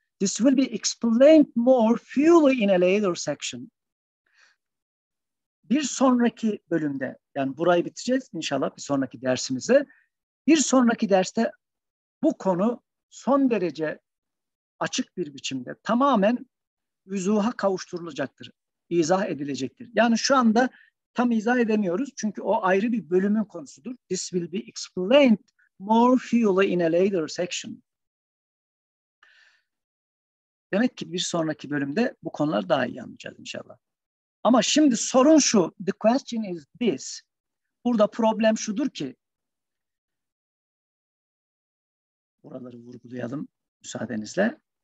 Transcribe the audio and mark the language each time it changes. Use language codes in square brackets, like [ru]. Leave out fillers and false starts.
[en] This will be explained more fully in a later section. [tr] Bir sonraki bölümde, yani burayı bitireceğiz inşallah bir sonraki dersimize. Bir sonraki derste bu konu son derece açık bir biçimde tamamen vüzuha kavuşturulacaktır, izah edilecektir. Yani şu anda tam izah edemiyoruz çünkü o ayrı bir bölümün konusudur. [en] This will be explained more fully in a later section. [tr] Demek ki bir sonraki bölümde bu konuları daha iyi anlayacağız inşallah. Ama şimdi sorun şu, [en] the question is this. [tr] Burada problem şudur ki, buraları vurgulayalım müsaadenizle.